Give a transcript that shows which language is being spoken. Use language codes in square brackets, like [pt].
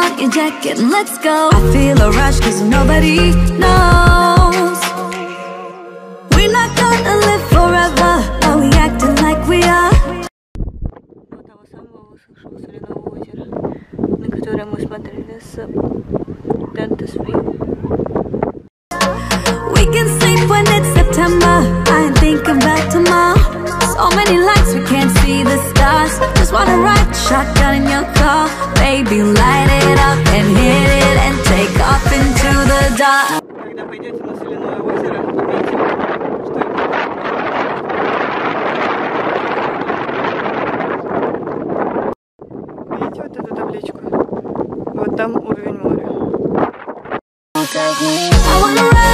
[en] jacket and let's go. I feel a rush cause nobody knows. We're not gonna live forever, but we acting like we are. [ru] У того самого высохшего соляного озера, на которое мы смотрели с Dante's View. [en] We can sleep when it's September, I think about tomorrow. So many lights we can't see the stars. Just wanna ride shotgun in your car. Baby, light it up and hit it and take off into the dark. [ru] Когда пойдете на соляное озеро, купите. Видите вот эту табличку? Вот там уровень моря.